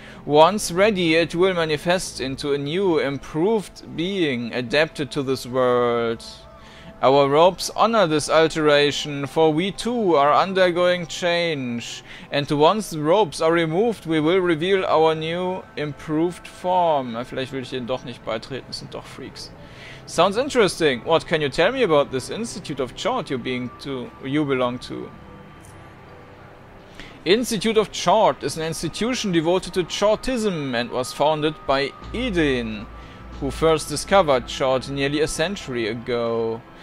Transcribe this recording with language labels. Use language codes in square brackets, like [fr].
[en] Once ready, it will manifest into a new, improved being adapted to this world. Our robes honor this alteration, for we too are undergoing change, and once the robes are removed, we will reveal our new, improved form. [de] Vielleicht will ich denen doch nicht beitreten, sind doch Freaks. [en] Sounds interesting. What can you tell me about this Institute of Chort you belong to? Institute of Chort is an institution devoted to Chortism and was founded by Edin, who first discovered Chort nearly a century ago.